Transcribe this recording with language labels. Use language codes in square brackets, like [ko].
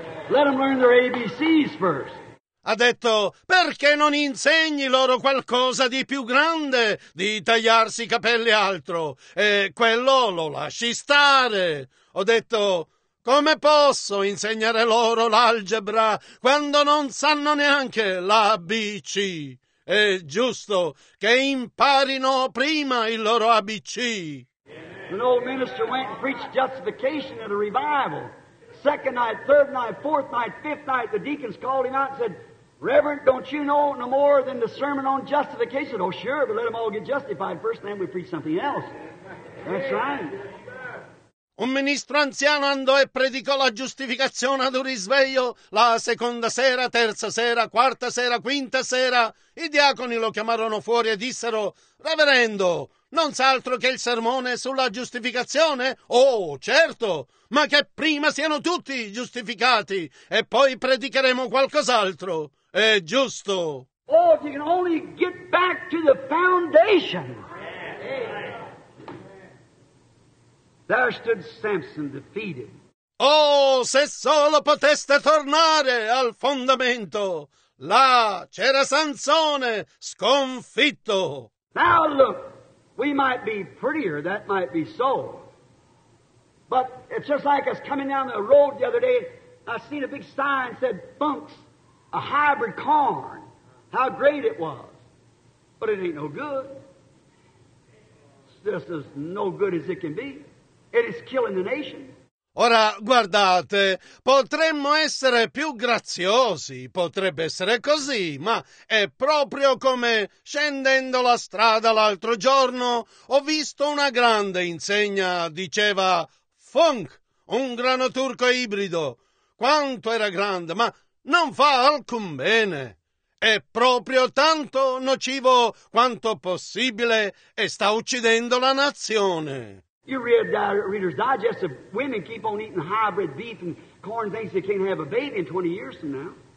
[en] Let them learn their ABCs first. [it] Ha detto, perché non insegni loro qualcosa di più grande di tagliarsi i capelli altro? E quello lo lasci stare. Ho detto, come posso insegnare loro l'algebra quando non sanno neanche l'ABC? È giusto che imparino prima il loro ABC. [en] An old minister went and preached justification at a revival. Second night, third night, fourth night, fifth night, the deacons called him out and said, Reverend, don't you know no more than the sermon on justification? Oh, sure, but let them all get justified. First then we preach something else. That's right. [it] Un ministro anziano andò e predicò la giustificazione ad un risveglio la seconda sera, terza sera, quarta sera, quinta sera. I diaconi lo chiamarono fuori e dissero, Reverendo, non sa altro che il sermone sulla giustificazione? Oh, certo, ma che prima siano tutti giustificati e poi predicheremo qualcos'altro. È giusto. [en] Oh, if you can only get back to the foundation. There stood Samson defeated. [it] Oh, se solo poteste tornare al fondamento. Là c'era Sansone sconfitto. [en] Now look, we might be prettier, that might be so. But it's just like us coming down the road the other day, I seen a big sign said, Funks, a hybrid corn. How great it was. But it ain't no good. It's just as no good as it can be. It is killing the nation. [it] Ora, guardate, potremmo essere più graziosi, potrebbe essere così, ma è proprio come scendendo la strada l'altro giorno ho visto una grande insegna, diceva Funk, un grano turco ibrido. Quanto era grande, ma non fa alcun bene. È proprio tanto nocivo quanto possibile e sta uccidendo la nazione. [en] You read Reader's Digest, if women keep on eating hybrid beef and corn things, they can't have a baby in 20 years from now.